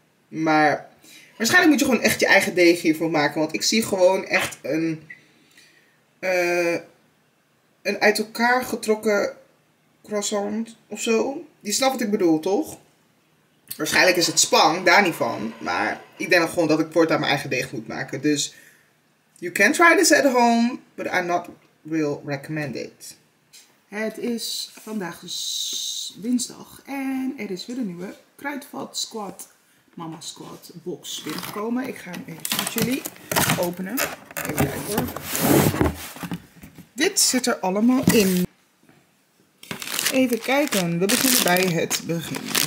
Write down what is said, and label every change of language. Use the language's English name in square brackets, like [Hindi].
[Dutch] Maar waarschijnlijk moet je gewoon echt je eigen deeg hiervoor maken. Want ik zie gewoon echt een uit elkaar getrokken croissant of zo. Je snapt wat ik bedoel, toch? Waarschijnlijk is het spang, daar niet van. Maar ik denk gewoon dat ik voortaan mijn eigen deeg moet maken. Dus [English] you can try this at home, but I'm not will recommend it. [Dutch] Het is vandaag dinsdag en er is weer een nieuwe kruidvat squat mama squat box binnengekomen. Ik ga hem even met jullie openen. Even kijken hoor. Dit zit er allemaal in. Even kijken, we beginnen bij het begin.